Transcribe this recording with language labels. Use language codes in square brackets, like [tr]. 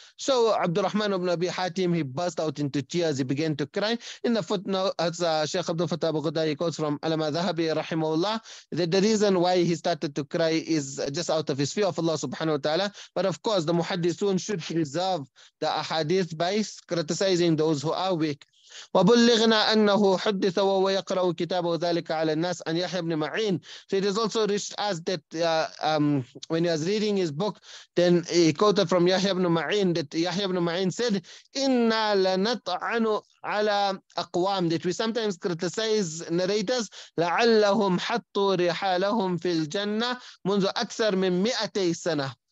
[en] So Abdurrahman ibn Abi Hatim, he burst out into tears. He began to cry. In the footnote, as Shaykh Abd al-Fattah Abu Ghuddah, he quotes from Alama Zahabi, rahimahullah, that the reason why he started to cry is just out of his fear of Allah subhanahu wa ta'ala. But of course, the Muhaddithun should preserve the ahadith by criticizing those who are weak. [ar] وبلغنا أنه حدث وهو يقرأ كتابه ذلك على الناس أن يحيى بن معين. [en] So it has also reached us that when he was reading his book, then he quoted from Yahya ibn Ma'in that Yahya ibn Ma'in said, [ar] "Inna lanat'anu ala aqwam," [en] that we sometimes criticize narrators, [ar] لعلهم حطوا رحالهم في الجنة منذ أكثر من 200 سنة.